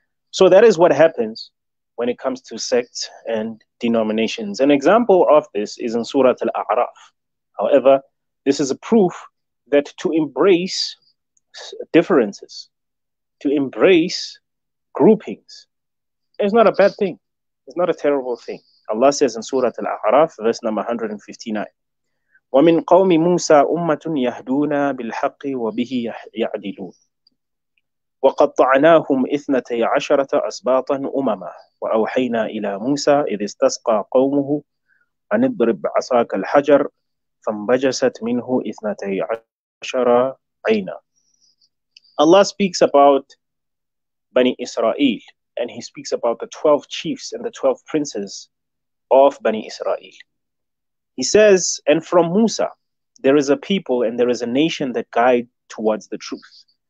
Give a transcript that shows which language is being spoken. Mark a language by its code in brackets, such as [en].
[en] So that is what happens when it comes to sects and denominations. An example of this is in Surah Al-A'raf. However, this is a proof that to embrace differences, to embrace groupings, is not a bad thing. It's not a terrible thing. Allah says in Surah Al-A'raf, verse number 159, [ar] وَمِن قَوْمِ مُوسَى أُمَّةٌ يَهْدُونَ بِالْحَقِّ وَبِهِ يَعْدِلُونَ وَقَطَّعْنَاهُمْ إِثْنَتَيْ عَشَرَةَ أَسْبَاطًا أُمَمًا وَأَوْحَيْنَا إِلَى مُوسَى إِذِ اسْتَسْقَى قَوْمُهُ أَنِ اضْرِبْ بِعَصَاكَ الْحَجَرَ فَانْبَجَسَتْ مِنْهُ إِثْنَتَيْ عَشَرَ عَيْنًا. [en] Allah speaks about Bani Israel, and He speaks about the 12 chiefs and the 12 princes of Bani Israel. He says, and from Musa, there is a people and there is a nation that guide towards the truth.